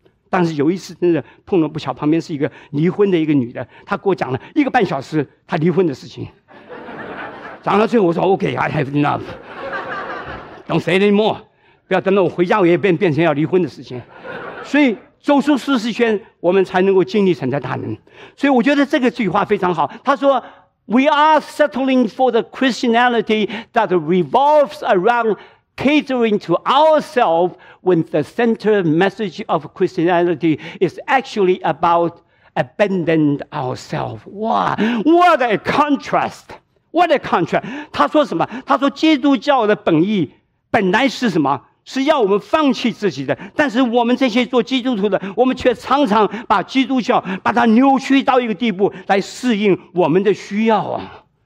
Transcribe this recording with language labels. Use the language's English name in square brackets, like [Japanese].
[Chinese] 但是有一次真的碰了不巧，旁边是一个离婚的一个女的，她给我讲了一个半小时她离婚的事情，讲到最后我说 [English] OK I have enough， Don't say anymore， [Chinese] 不要等到我回家我也变成要离婚的事情。所以走出舒适圈我们才能够经历神的大能。所以我觉得这个句话非常好，他说 [English] We are settling for the Christianity that revolves around catering to ourselves when the center message of Christianity is actually about abandoning ourselves. Wow, what a contrast! What a contrast! [Chinese] 他说什么？他说基督教的本意本来是什么？是要我们放弃自己的，但是我们这些做基督徒的，我们却常常把基督教把它扭曲到一个地步来适应我们的需要啊。